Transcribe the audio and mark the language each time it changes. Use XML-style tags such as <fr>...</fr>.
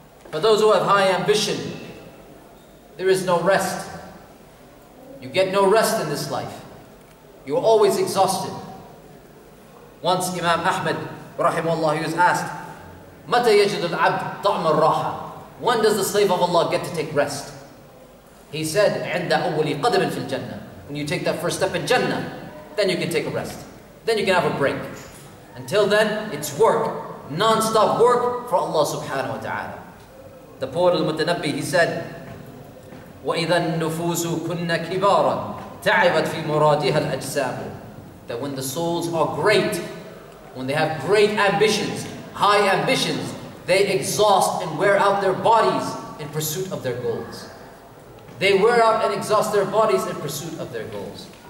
<en>For those who have high ambition, there is no rest. You get no rest in this life. You are always exhausted. Once Imam Ahmad, rahimahullah, he was asked,</en> <ar>مَتَ يَجِدُ الْعَبْدُ طَعْمَ الرَّاحَةِ.</ar> <en>When does the slave of Allah get to take rest? He said,</en> <ar>عِنْدَ أَوَّلِي قَدَمٍ فِي الْجَنَّةِ.</ar> <en>When you take that first step in Jannah, then you can take a rest. Then you can have a break. Until then, it's work. Non-stop work for Allah subhanahu wa ta'ala. The poet al-Mutanabbi, he said,</en> <ar>وَإِذَا النُّفُوسُ كُنَّ كِبَارًا تَعِبَتْ فِي مُرَادِهَا الْأَجْسَامُ.</ar> <en>That when the souls are great, when they have great ambitions, high ambitions, they exhaust and wear out their bodies in pursuit of their goals. They wear out and exhaust their bodies in pursuit of their goals.</en>